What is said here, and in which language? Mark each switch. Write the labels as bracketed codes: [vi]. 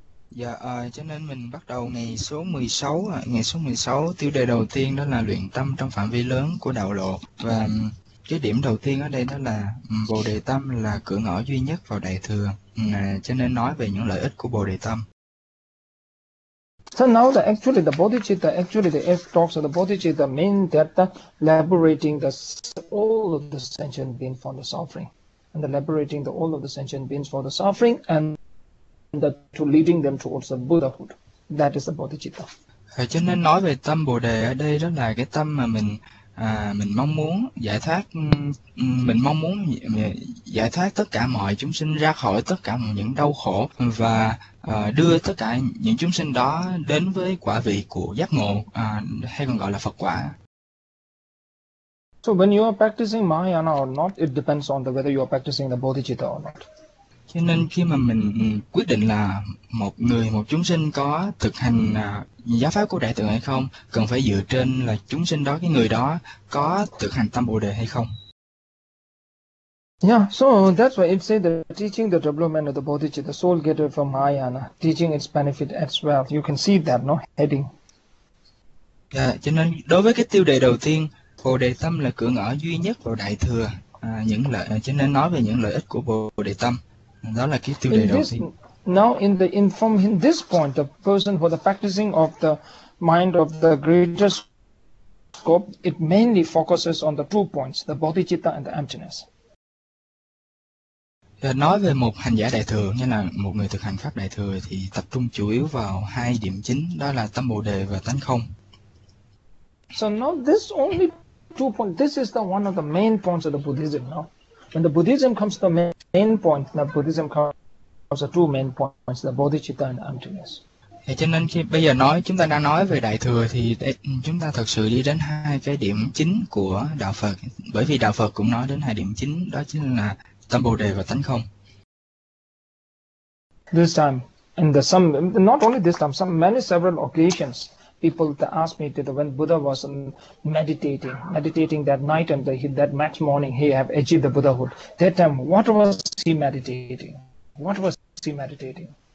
[vi] Dạ, cho nên mình bắt đầu ngày số 16. Ngày số 16, tiêu đề đầu tiên đó là luyện tâm trong phạm vi lớn của đạo lộ. Và cái điểm đầu tiên ở đây đó là Bồ Đề Tâm là cửa ngõ duy nhất vào Đại Thừa, cho nên nói về những lợi ích của Bồ Đề Tâm. [en] So now the actually the bodhicitta, actually the eight talks of the bodhicitta mean that the liberating the all of the sentient beings from the suffering, and the liberating the all of the sentient beings for the suffering, and the to leading them towards the Buddhahood. That is the bodhicitta. [vi] Cho nên nói về tâm Bồ đề ở đây đó là cái tâm mà mình mong muốn giải thoát, mình mong muốn giải thoát tất cả mọi chúng sinh ra khỏi tất cả những đau khổ và đưa tất cả những chúng sinh đó đến với quả vị của giác ngộ, hay còn gọi là Phật quả. [en] So when you are practicing Mahayana or not, it depends on the whether you are practicing the Bodhicitta or not. [vi] Cho nên khi mà mình quyết định là một người, một chúng sinh có thực hành giáo pháp của đại tượng hay không, cần phải dựa trên là chúng sinh đó, cái người đó có thực hành tâm Bồ đề hay không. [en] Yeah, so that's why it says the teaching the development of the Bodhicitta, the soul getter from Mahayana, teaching its benefit as well. You can see that, no, heading. [vi] Yeah, cho nên đối với cái tiêu đề đầu tiên, Bồ đề tâm là cửa ngõ duy nhất vào đại thừa, những lợi, cho nên nói về những lợi ích của Bồ đề tâm. Đó là cái tiêu đề đầu tiên. [en] Now in the in from in this point, the person for the practicing of the mind of the greater scope, it mainly focuses on the two points, the bodhicitta and the emptiness. [vi] Nói về một hành giả đại thừa, nghĩa là một người thực hành pháp đại thừa, thì tập trung chủ yếu vào hai điểm chính, đó là tâm bồ đề và tánh không. [en] So now this only two point, this is the one of the main points of the Buddhism. Now when the Buddhism comes to the main point, the Buddhism comes the two main points, the bodhicitta and emptiness. [vi] Thế cho nên khi bây giờ nói chúng ta đang nói về đại thừa thì chúng ta thật sự đi đến hai cái điểm chính của đạo Phật, bởi vì đạo Phật cũng nói đến hai điểm chính, đó chính là tâm bồ đề và tánh không. [en] This time, and the some not only this time, some many several occasions, people that ask me that when Buddha was meditating that night and that next morning he have achieved the Buddhahood. That time, what was he meditating? What was he meditating?